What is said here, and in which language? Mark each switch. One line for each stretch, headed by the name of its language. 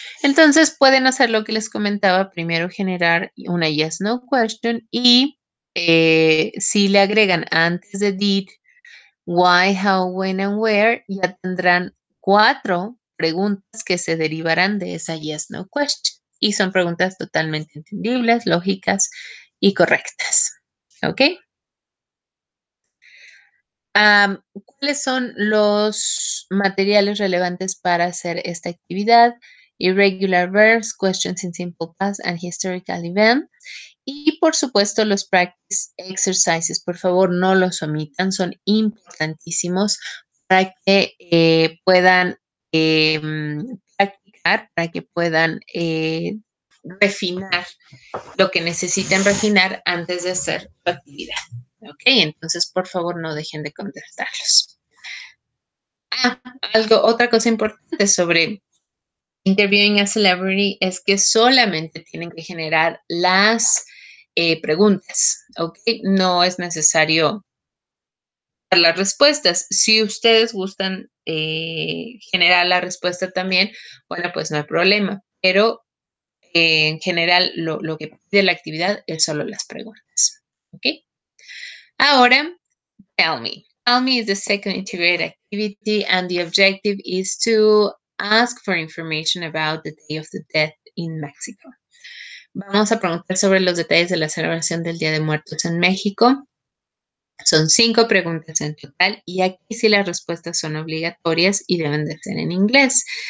Spanish: Entonces pueden hacer lo que les comentaba, primero generar una yes no question y si le agregan antes de did, why, how, when and where, ya tendrán 4 preguntas que se derivarán de esa yes no question. Y son preguntas totalmente entendibles, lógicas y correctas. ¿Ok? ¿Cuáles son los materiales relevantes para hacer esta actividad?
English: Irregular verbs, questions in simple past, and historical event.
Spanish: Y, por supuesto, los practice exercises. Por favor, no los omitan. Son importantísimos para que puedan practicar, para que puedan refinar lo que necesiten refinar antes de hacer la actividad. Ok, entonces, por favor, no dejen de contestarlos. Otra cosa importante sobre interviewing a celebrity es que solamente tienen que generar las preguntas, ¿ok? No es necesario dar las respuestas. Si ustedes gustan generar la respuesta también, bueno, pues no hay problema. Pero en general, lo que pide la actividad es solo las preguntas, ¿ok?
English: Ahora, tell me. Tell me is the second integrated activity and the objective is to ask for information about the day of the death in Mexico.
Spanish: Vamos a preguntar sobre los detalles de la celebración del Día de Muertos en México. Son 5 preguntas en total y aquí sí las respuestas son obligatorias y deben de ser en inglés.